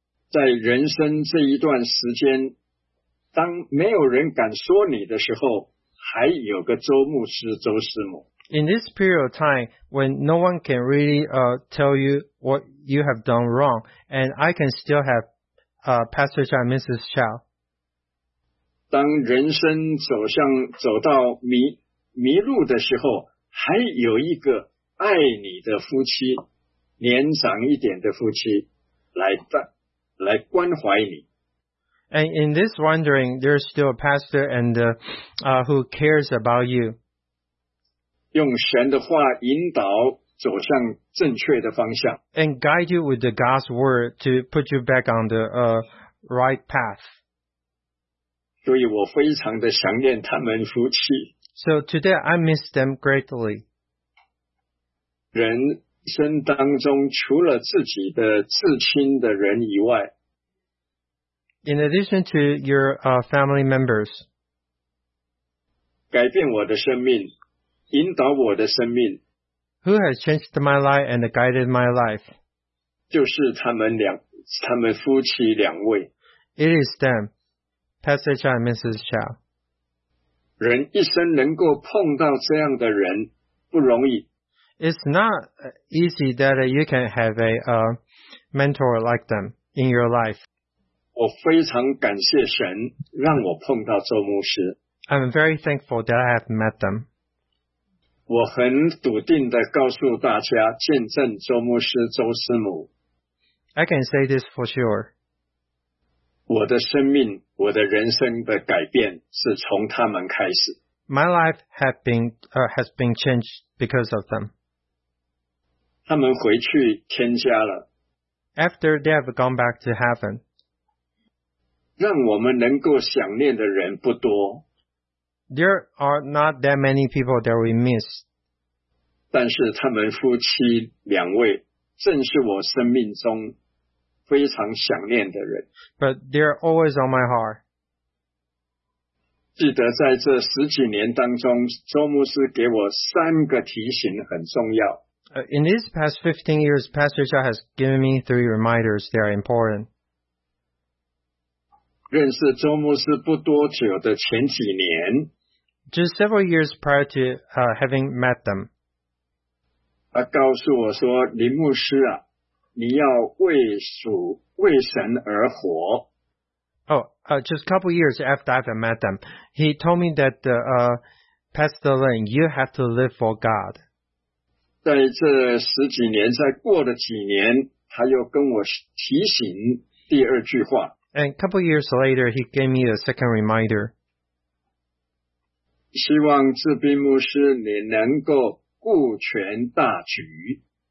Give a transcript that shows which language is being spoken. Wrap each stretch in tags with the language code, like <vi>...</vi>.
<zh>在人生这一段时间，当没有人敢说你的时候，还有个周牧师、周师母。</zh> <en>In this period of time, when no one can really tell you what you have done wrong, and I can still have Pastor Chow and Mrs. Chow.</en> <zh>当人生走到迷路的时候，还有一个爱你的夫妻，年长一点的夫妻来关怀你。</zh> <en>And in this wandering, there's still a pastor and who cares about you.</en> <zh>用神的话引导走向正确的方向。</zh> <en>And guide you with the God's word to put you back on the right path.</en> <zh>所以我非常的想念他们夫妻。</zh> <en>So today I miss them greatly.</en> <zh>人生当中除了自己的至亲的人以外</zh> <en>In addition to your family members</en> <zh>改变我的生命引导我的生命</zh> <en>Who has changed my life and guided my life</en> <zh>就是他们夫妻两位</zh> <en>It is them Pastor Chow and Mrs. Chow</en> <zh>人一生能够碰到这样的人不容易</zh> <en>It's not easy that you can have a mentor like them in your life.</en> <zh>我非常感谢神让我碰到周牧师。</zh> <en>I'm very thankful that I have met them.</en> <zh>我很笃定地告诉大家见证周牧师周师母。</zh> <en>I can say this for sure.</en> <zh>我的生命我的人生的改变是从他们开始。</zh> <en>My life has been changed because of them.</en> <zh>他们回去天家了。</zh> <en>After they have gone back to heaven,</en> <zh>让我们能够想念的人不多。</zh> <en>There are not that many people that we miss.</en> <zh>但是他们夫妻两位正是我生命中非常想念的人。</zh> <en>But they're always on my heart.</en> <zh>记得在这十几年当中，周牧师给我三个提醒很重要。</zh> <en>In these past 15 years, Pastor Chow has given me three reminders that are important.</en> <zh>认识周牧师不多久的前几年</zh> <en>Just several years prior to having met them.</en> <zh>他告诉我说林牧师啊你要为神而活</zh> <en>Just a couple years after I've met them. He told me that Pastor Lin, you have to live for God.</en> <zh>在这十几年，再过了几年，他又跟我提醒第二句话。</zh> <en>And a couple years later, he gave me a second reminder.</en> <zh>希望志斌牧师你能够顾全大局。</zh>